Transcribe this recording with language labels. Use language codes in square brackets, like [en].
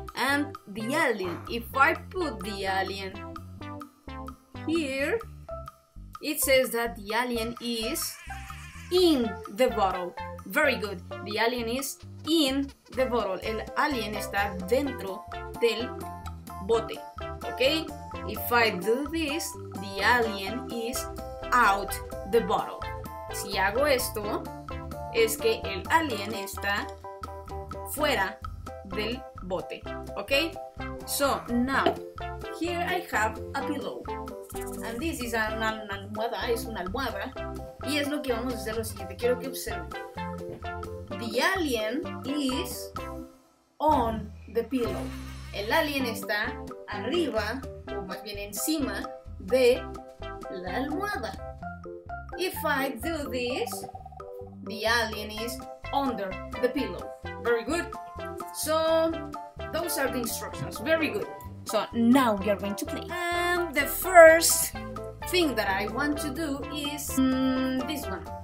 [en] And the alien, if I put the alien here, it says that the alien is in the bottle. Very good. The alien is in the bottle. [es] El alien está dentro del bote, [en] okay? If I do this, the alien is out the bottle. [es] Si hago esto, es que el alien está fuera del bote. Okay? [en] So, now, here I have a pillow. And this is an almohada, [es] es una almohada. Y es lo que vamos a hacer lo siguiente. Quiero que observen. [en] The alien is on the pillow. [es] El alien está arriba, o más bien encima, de la almohada. [en] If I do this, the alien is under the pillow. Very good. So, those are the instructions. Very good. So, now we are going to play. And the first thing that I want to do is this one.